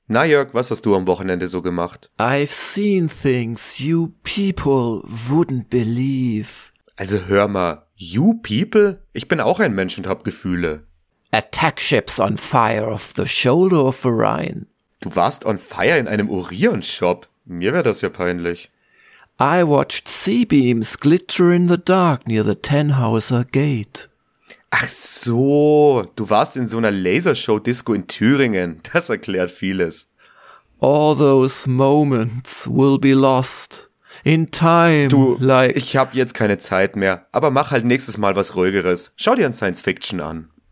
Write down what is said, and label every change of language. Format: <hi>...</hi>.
<de>Na Jörg, was hast du am Wochenende so gemacht?</de> <en>I've seen things you people wouldn't believe.</en> <de>Also hör mal,</de> <en>you people?</en> <de>Ich bin auch ein Mensch und hab Gefühle.</de> <en>Attack ships on fire off the shoulder of Orion.</en> <de>Du warst</de> <en>on fire</en> <de>in einem Orion-Shop? Mir wäre das ja peinlich.</de> <en>I watched sea beams glitter in the dark near the Tannhauser Gate.</en> <de>Ach so, du warst in so einer Lasershow-Disco in Thüringen. Das erklärt vieles.</de> <en>All those moments will be lost in time.</en> <de>Du, like, ich hab jetzt keine Zeit mehr, aber mach halt nächstes Mal was Ruhigeres. Schau dir ein Science-Fiction an.</de>